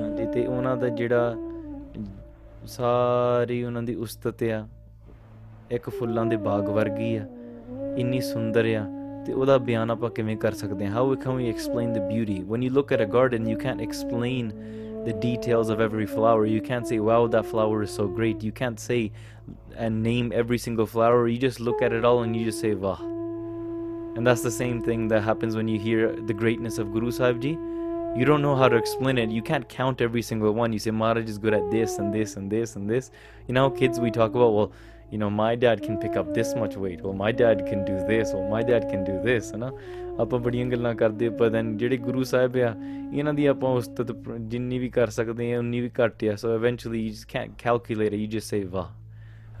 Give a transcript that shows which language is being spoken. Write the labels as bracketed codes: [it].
[pa] ਹਾਂਜੀ, ਅਤੇ ਉਹਨਾਂ ਦਾ ਜਿਹੜਾ ਸਾਰੀ ਉਹਨਾਂ ਦੀ ਉਸਤਤ ਆ, ਇੱਕ ਫੁੱਲਾਂ ਦੇ ਬਾਗ ਵਰਗੀ ਆ, ਇੰਨੀ ਸੁੰਦਰ ਆ, ਅਤੇ ਉਹਦਾ ਬਿਆਨ ਆਪਾਂ ਕਿਵੇਂ ਕਰ ਸਕਦੇ ਹਾਂ। [en] How can we explain the beauty when you look at a garden, you can explain the details of every flower, you can say wow that flower is so great, you can say and name every single flower, you just look at it all and you just say ਵਾਹ। And that's the same thing that happens when you hear the greatness of Guru Sahib Ji. You don't know how to explain it. You can't count every single one. You say, Maharaj is good at this and this and this and this. You know, kids, we talk about, well, you know, my dad can pick up this much weight. Well, my dad can do this. Well, my dad can do this. You know, [pa] ਆਪਾਂ ਬੜੀਆਂ ਗੱਲਾਂ ਕਰਦੇ ਹਾਂ, ਪਰ then ਜਿਹੜੇ ਗੁਰੂ ਸਾਹਿਬ ਆ, ਇਹਨਾਂ ਦੀ ਆਪਾਂ ਉਸ ਤੱਕ ਜਿੰਨੀ ਵੀ ਕਰ ਸਕਦੇ ਹਾਂ ਉਨੀ ਵੀ ਘੱਟ ਆ। [en] So eventually you just can't calculate it, you just say ਵਾਹ।